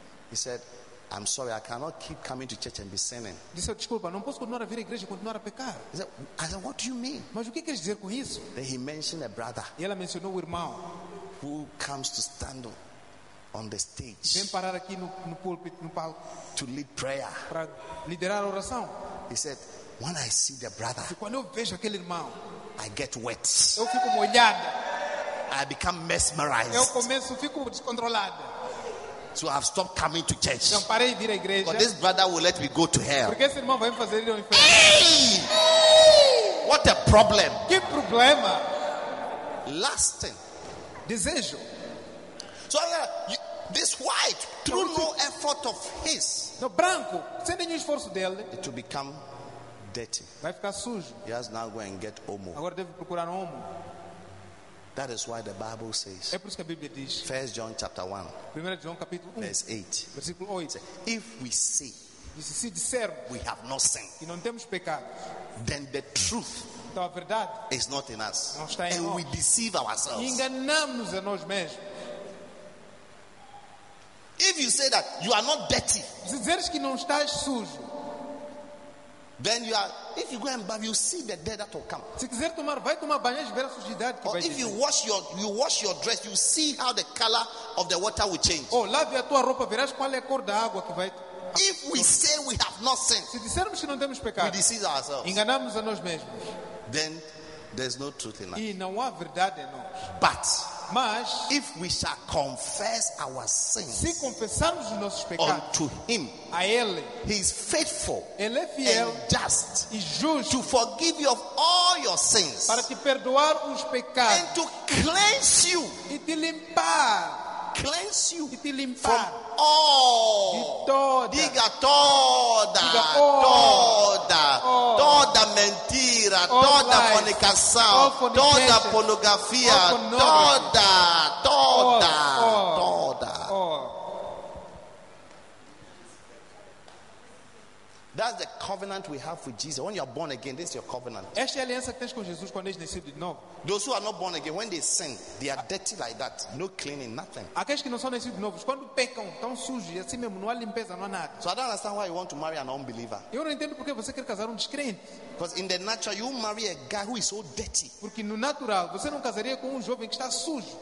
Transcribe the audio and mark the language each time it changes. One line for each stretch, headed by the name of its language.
English: He said, I'm sorry, I cannot keep coming to church and be sinning.
Portuguese: Disse, desculpa, não posso continuar a vir à igreja e continuar a pecar.
English: He said, I said, what do you mean?
Portuguese: Mas o que queres dizer com isso?
English: Then he mentioned a brother.
Portuguese: E ela mencionou o irmão.
English: Who comes to stand on the stage.
Portuguese: Vem parar aqui no púlpito, no palco.
English: To lead prayer.
Portuguese: Para liderar a oração.
English: He said, when I see the brother,
Portuguese: quando eu vejo aquele irmão,
English: I get wet.
Portuguese: Eu fico molhado.
English: I become mesmerized.
Portuguese: Eu começo, fico descontrolado.
English: So I've stopped coming to church.
Portuguese: Não parei de ir à igreja.
English: But this brother will let me go to hell.
Portuguese: Porque esse irmão vai me fazer ir ao inferno.
English: Hey! What a problem!
Portuguese: Que problema!
English: Lasting.
Portuguese: Desejo.
English: So this white, through no effort of his,
Portuguese: no branco, sem nenhum esforço dele,
English: it will become dirty.
Portuguese: Vai ficar sujo.
English: He has now go and get omo.
Portuguese: Agora deve procurar omo.
English: That is why the Bible says.
Portuguese: É por isso que a Bíblia diz.
English: 1 John chapter 1.
Portuguese: 1 João capítulo 1.
English: Verse 8.
Portuguese: Versículo 8.
English: If we say,
Portuguese: disse, se dissermos,
English: we have not sinned,
Portuguese: e não temos pecado,
English: then the truth,
Portuguese: então a verdade,
English: is not in us.
Portuguese: Não está em
English: and
Portuguese: nós.
English: We deceive ourselves.
Portuguese: E enganamos a nós mesmos.
English: you say that you are not dirty,
Portuguese: se dizeres que não estás sujo,
English: then you are, if you go and bathe, you see the dead that will come.
Portuguese: Se quiser tomar, vai tomar banho e ver a sujidade que vai.
English: Or if you wash your, you wash your dress, you see how the color of the water will change.
Portuguese: Oh, lave a tua roupa, verás qual é a cor da água que vai.
English: If we say we have not sinned,
Portuguese: se dissermos que não temos pecado,
English: we deceive ourselves.
Portuguese: Enganamos a nós mesmos.
English: Then there's no truth in that.
Portuguese: E não há verdade em nós.
English: But
Portuguese: mas,
English: if we shall confess our sins,
Portuguese: se confessarmos os nossos pecados,
English: unto him,
Portuguese: a ele,
English: he is faithful,
Portuguese: ele é fiel,
English: and just,
Portuguese: e justo,
English: to forgive you of all your sins,
Portuguese: para te perdoar os pecados,
English: and to cleanse you,
Portuguese: e te limpar,
English: cleanse you,
Portuguese: e te limpar,
English: from all,
Portuguese: de toda, diga toda, diga all, toda, toda mentira, toda fornicação, toda pornografia, toda, toda, toda.
English: That's the covenant we have with Jesus. When you are born again, this is your covenant.
Portuguese: Esta é a aliança que tens com Jesus quando és nascido de novo.
English: Those who are not born again, when they sin, they are dirty like that. No cleaning, nothing.
Portuguese: Aqueles que não são nascidos de novo, quando pecam, estão sujos, assim mesmo, não há limpeza, não há nada.
English: So I don't understand why you want to marry an unbeliever.
Portuguese: Eu não entendo porque você quer casar descrente.
English: Because in the natural, you marry a guy who is so dirty.
Portuguese: Porque no natural, você não casaria com jovem que está sujo.